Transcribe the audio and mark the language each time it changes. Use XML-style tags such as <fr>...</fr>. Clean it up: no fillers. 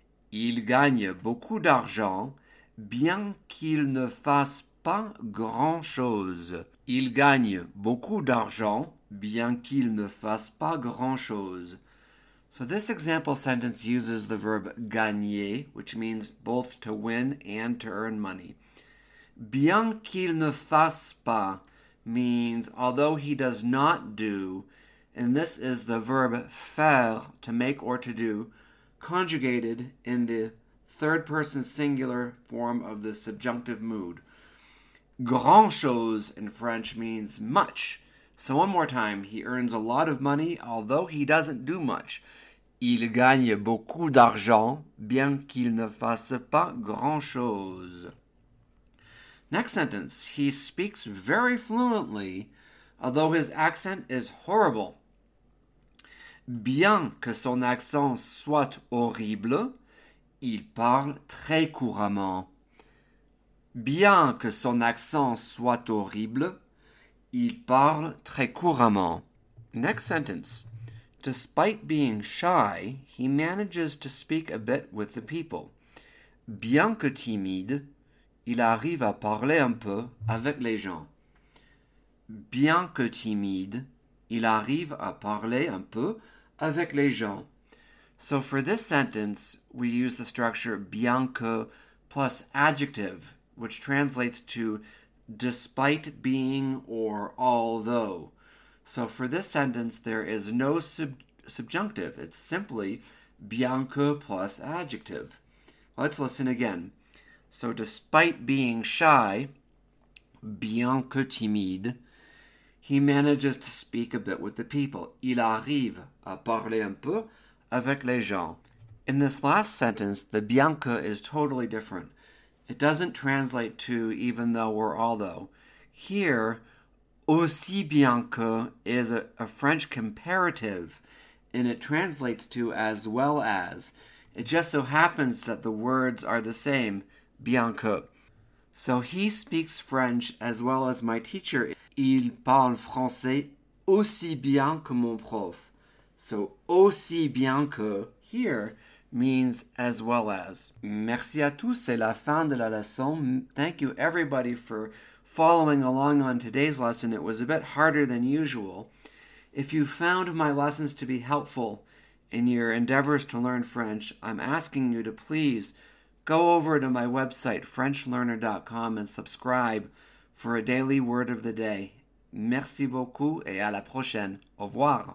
<fr>Il gagne beaucoup d'argent, bien qu'il ne fasse pas grand-chose. Il gagne beaucoup d'argent, bien qu'il ne fasse pas grand chose.</fr> <en>So this example sentence uses the verb gagner, which means both to win and to earn money.</en> <fr>Bien qu'il ne fasse pas</fr> <en>means although he does not do, and this is the verb faire, to make or to do, conjugated in the third person singular form of the subjunctive mood.</en> <fr>Grand chose</fr> <en>in French means much. So one more time, he earns a lot of money, although he doesn't do much.</en> <fr>Il gagne beaucoup d'argent, bien qu'il ne fasse pas grand-chose.</fr> <en>Next sentence, he speaks very fluently, although his accent is horrible.</en> <fr>Bien que son accent soit horrible, il parle très couramment. Bien que son accent soit horrible, il parle très couramment.</fr> <en>Next sentence. Despite being shy, he manages to speak a bit with the people.</en> <fr>Bien que timide, il arrive à parler un peu avec les gens. Bien que timide, il arrive à parler un peu avec les gens.</fr> <en>So for this sentence, we use the structure</en> <fr>bien que</fr> <en>plus adjective, which translates to despite being or although. So for this sentence, there is no subjunctive. It's simply</en> <fr>bien que</fr> <en>plus adjective. Let's listen again. So despite being shy,</en> <fr>bien que timide,</fr> <en>he manages to speak a bit with the people.</en> <fr>Il arrive à parler un peu avec les gens.</fr> <en>In this last sentence, the bien que is totally different. It doesn't translate to even though or although. Here,</en> <fr>aussi bien que</fr> <en>is a French comparative, and it translates to as well as. It just so happens that the words are the same,</en> <fr>bien que.</fr> <en>So he speaks French as well as my teacher.</en> <fr>Il parle français aussi bien que mon prof.</fr> <en>So</en> <fr>aussi bien que</fr> <en>here means as well as.</en> <fr>Merci à tous, c'est la fin de la leçon.</fr> <en>Thank you everybody for following along on today's lesson. It was a bit harder than usual. If you found my lessons to be helpful in your endeavors to learn French, I'm asking you to please go over to my website, FrenchLearner.com, and subscribe for a daily word of the day.</en> <fr>Merci beaucoup et à la prochaine. Au revoir.</fr>